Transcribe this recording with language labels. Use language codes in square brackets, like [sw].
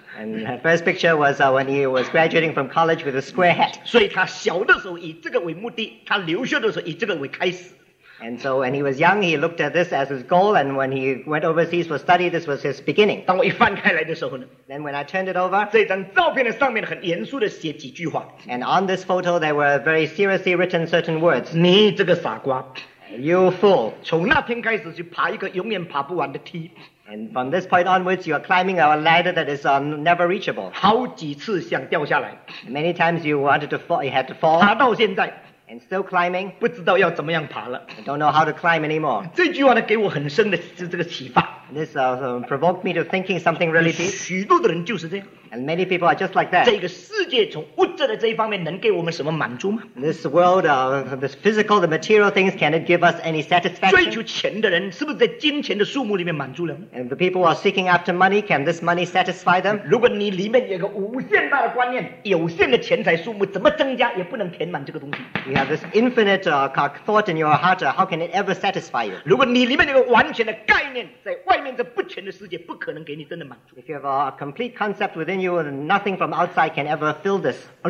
[en] And the first picture was when he was graduating from college with a square hat. [zh] 所以他小的时候以这个为目的，他留学的时候以这个为开始。 [en] And so when he was young, he looked at this as his goal, and when he went overseas for study, this was his beginning. [zh] 当我一翻开来的时候呢, [en] then when I turned it over, [zh] 这张照片的上面很严肃地写几句话, [en] and on this photo, there were very seriously written certain words. [zh] 你这个傻瓜, [en] you fool. [zh] 从那天开始去爬一个永远爬不完的梯, [en] and from this point onwards, you are climbing a ladder that is never reachable. [zh] 好几次想掉下来, [en] many times you wanted to fall, you had to fall. [zh] 爬到现在, [en] and still climbing, [zh] 不知道要怎么样爬了, [en] I don't know how to climb anymore. [zh] 这句话呢给我很深的这个启发, [en] this provoked me to thinking something really deep. [zh] 许多的人就是这样, [en] and many people are just like that. [zh] 这个世界从物质的这一方面能给我们什么满足吗? [en] This world, this physical, the material things, can it give us any satisfaction? [zh] 追求钱的人是不是在金钱的数目里面满足了? [en] And the people who are seeking after money, can this money satisfy them? [zh] 如果你里面有个无限大的观念, 有限的钱财数目怎么增加也不能填满这个东西。 [en] You have this infinite thought in your heart, how can it ever satisfy you? [zh] 如果你里面有个完全的概念, 在外面这不全的世界不可能给你真的满足。 [en] If you have a complete concept with within you, nothing from outside can ever fill this.